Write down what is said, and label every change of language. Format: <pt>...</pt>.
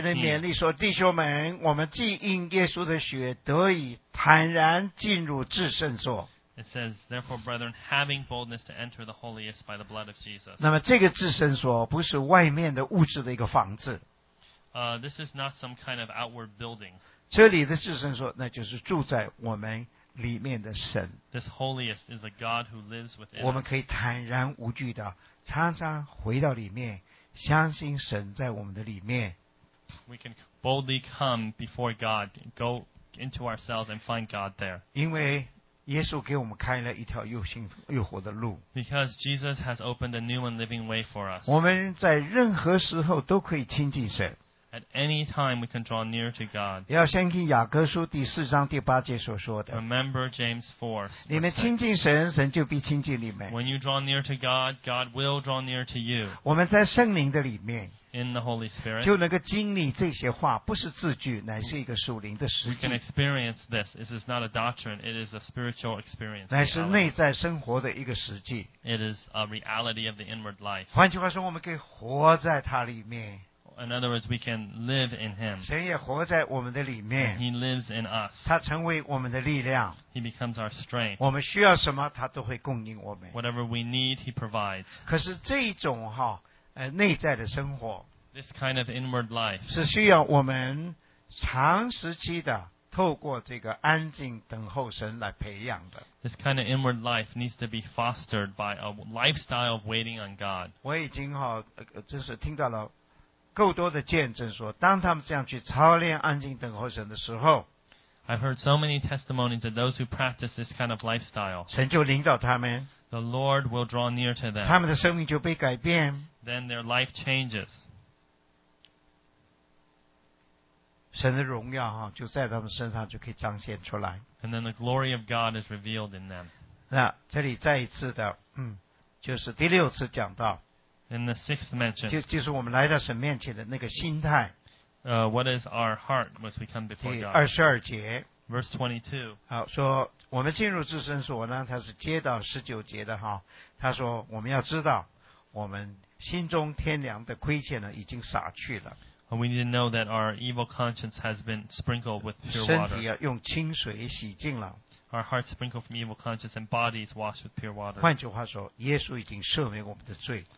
<zh>的勉励说：“弟兄们，我们既因耶稣的血得以坦然进入至圣所。”</zh> <en>It says, "Therefore, brethren, having boldness to enter the holiest by the blood of Jesus."</en> <zh>那么这个至圣所不是外面的物质的一个房子。</zh> <en>This is not some kind of outward building.</en> <zh>这里的至圣所，那就是住在我们。里面的神</zh> <en>This holiest is a God who lives within us.</en> <zh>我们可以坦然无惧的常常回到里面相信神在我们的里面</zh> <en>We can boldly come before God go into ourselves and find God there.</en> <zh>因为耶稣给我们开了一条又新又活的路</zh> <en>Because Jesus has opened a new and living way for us.</en> <zh>我们在任何时候都可以亲近神</zh> <en>At any time, we can draw near to God.</en> <zh>要相信雅各书第四章第八节所说的。</zh> <en>Remember James 4.</en> <zh>你们亲近神，神就必亲近你们。</zh> <en>When you draw near to God, God will draw near to you.</en> <zh>我们在圣灵的里面。</zh> <en>In the Holy Spirit.</en> <zh>就能够经历这些话，不是字句，乃是一个属灵的实际。</zh> <en>We can experience this. This is not a doctrine. It is a spiritual experience.</en> <zh>乃是内在生活的一个实际。</zh> <en>It is a reality of the inward life.</en> <zh>换句话说，我们可以活在它里面。</zh> <en>In other words, we can live in Him.</en> <zh>神也活在我们的里面。</zh> <en>He lives in us.</en> <zh>他成为我们的力量。</zh> <en>He becomes our strength.</en> <zh>我们需要什么，他都会供应我们。</zh> <en>Whatever we need, He provides.</en> <zh>可是这一种哈，内在的生活。</zh> <en>This kind of inward life.</en> <zh>是需要我们长时期的透过这个安静等候神来培养的。</zh> <en>This kind of inward life needs to be fostered by a lifestyle of waiting on God.</en> <zh>我已经哈，就是听到了。够多的见证说，当他们这样去操练安静等候神的时候</zh> <en>，I've heard so many testimonies of those who practice this kind of lifestyle.</en> <zh>神就领导他们</zh> <en>，The Lord will draw near to them.</en> <zh>他们的生命就被改变</zh> <en>，Then their life changes.</en> <zh>神的荣耀哈就在他们身上就可以彰显出来</zh> <en>，And then the glory of God is revealed in them.</en> <zh>那这里再一次的，就是第六次讲到。</zh> <en>In the sixth mention,</en> <zh>就是我们来到神面前的那个心态。</zh> <en>What is our heart once we come before God?</en> <zh>第二十二节</zh> <en>，verse 22。</en> <zh>好，说我们进入至圣所呢，他是接到十九节的哈。他说我们要知道，我们心中天良的亏欠呢已经洒去了。</zh> <en>We need to know that our evil conscience has been sprinkled with pure water.</en> <zh>身体要用清水洗净了。</zh> <en>Our hearts sprinkled from evil conscience and bodies washed with pure water.</en> <zh>换句话说，耶稣已经赦免我们的罪。</zh>